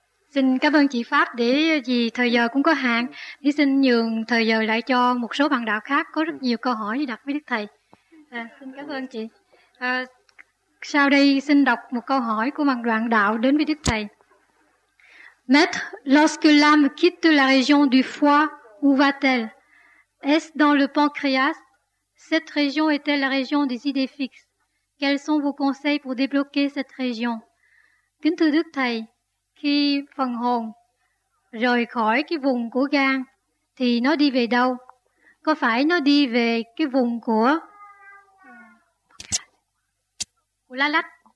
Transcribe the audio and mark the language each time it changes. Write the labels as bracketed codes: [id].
[vi] Xin cảm ơn chị Pháp, để vì thời giờ cũng có hạn, thì xin nhường thời giờ lại cho một số bạn đạo khác có rất nhiều câu hỏi để đặt với Đức Thầy. Xin cảm ơn chị. Sau đây xin đọc một câu hỏi của bạn đoạn đạo đến với Đức Thầy. [fr] Maître, lorsque l'âme quitte la région du foie, où va-t-elle? Est-ce dans le pancréas? Cette région est-elle la région des idées fixes? Quels sont vos conseils pour débloquer cette région? [vi] Kính thưa Đức Thầy, khi phần hồn rời khỏi cái vùng của gan thì nó đi về đâu? Có phải nó đi về cái vùng của lá lách?